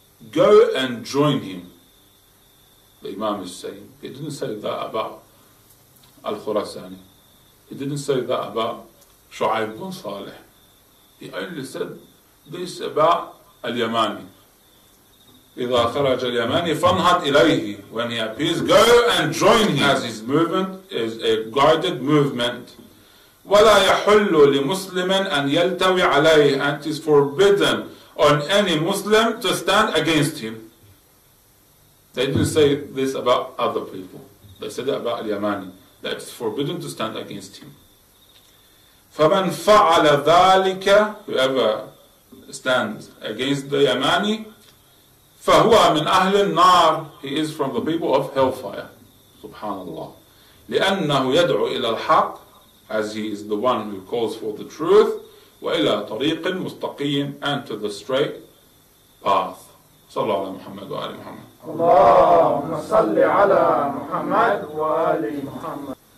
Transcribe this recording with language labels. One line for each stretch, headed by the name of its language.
English: Go and join him. The Imam is saying, he didn't say that about Al-Khurasani. He didn't say that about Shu'aib ibn Salih. He only said this about Al-Yamani.
Arabic: إذا خرج اليماني فانهد إليه.
English: When he appears, go and join him, as his movement is a guided movement.
Arabic: ولا يحل لمسلم أن يلتوي عليه.
English: And it is forbidden on any Muslim to stand against him. They didn't say this about other people. They said it about اليماني, that it's forbidden to stand against him.
Arabic: فمن فعل ذلك,
English: whoever stands against the يماني,
Arabic: فهو من أهل النار.
English: He is from the people of hellfire.
Arabic: سبحان الله. لأنه يدعو إلى الحق,
English: as he is the one who calls for the truth,
Arabic: وإلى طريق مستقيم,
English: and to the straight path.
Arabic: صلى الله على محمد وآل محمد. اللهم صل على محمد وآل محمد.